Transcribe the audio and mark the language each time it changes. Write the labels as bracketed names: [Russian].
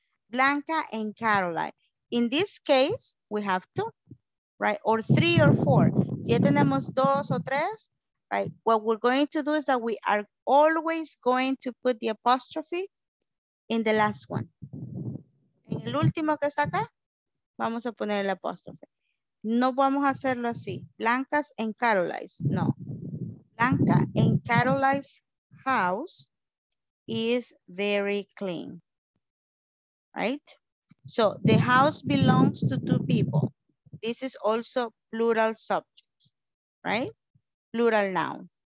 [English] Blanca and Caroline. In this case, we have two, right? Or three or four. [Spanish] Si ya tenemos dos o tres, right? [English] What we're going to do is that we are always going to put the apostrophe in the last one. [Spanish] En el último que está acá, vamos a poner el apóstrofe. No vamos a hacerlo así. [English] Blancas and Caroline. [Spanish] No. [English] Blanca and Caroline's house is very clean, right? So the house belongs to two people. This is also plural subjects, right? Plural noun.